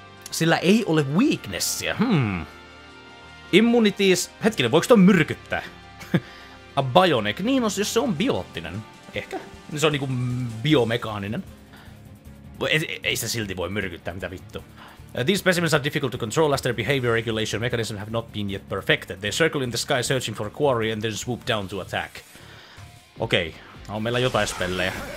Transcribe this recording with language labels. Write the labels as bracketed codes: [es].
[fi] Sillä ei ole weaknessia. Immunities. Hetkinen, voiko toi myrkyttää? A bionic. Niin, no, jos se on biottinen. Ehkä. Se on niinku biomekaaninen. Ei se silti voi myrkyttää, mitä vittu. [en] These specimens are difficult to control as their behavior regulation mechanism have not been yet perfected. They circle in the sky searching for a quarry and then swoop down to attack. [fi] Okei, okay. On meillä jotain spellejä.